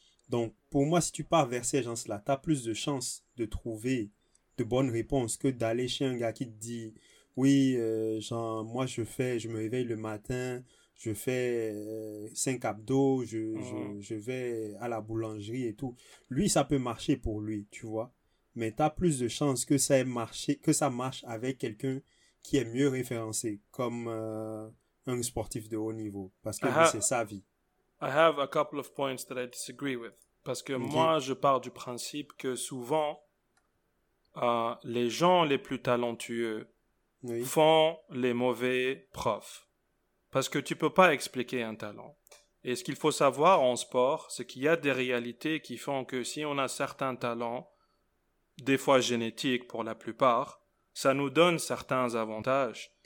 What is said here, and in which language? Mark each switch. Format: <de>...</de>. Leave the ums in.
<fr>Donc, pour moi, si tu pars vers ces gens-là, tu as plus de chances de trouver de bonnes réponses que d'aller chez un gars qui te dit Oui, euh, genre, moi, je fais, je me réveille le matin, je fais 5 euh, abdos, je, mm -hmm. je, je, vais à la boulangerie et tout. Lui, ça peut marcher pour lui, tu vois. Mais tu as plus de chances que ça, ait marché, que ça marche avec quelqu'un qui est mieux référencé comme euh, un sportif de haut niveau parce que c'est sa vie.</fr> <en>I have a couple of points that I disagree with,</en> <fr>Parce que</fr> <en>okay.</en> <fr>moi, je pars du principe que souvent, euh, les gens les plus talentueux oui. font les mauvais profs. Parce que tu ne peux pas expliquer un talent. Et ce qu'il faut savoir en sport, c'est qu'il y a des réalités qui font que si on a certains talents, des fois génétique pour la plupart, ça nous donne certains avantages.</fr>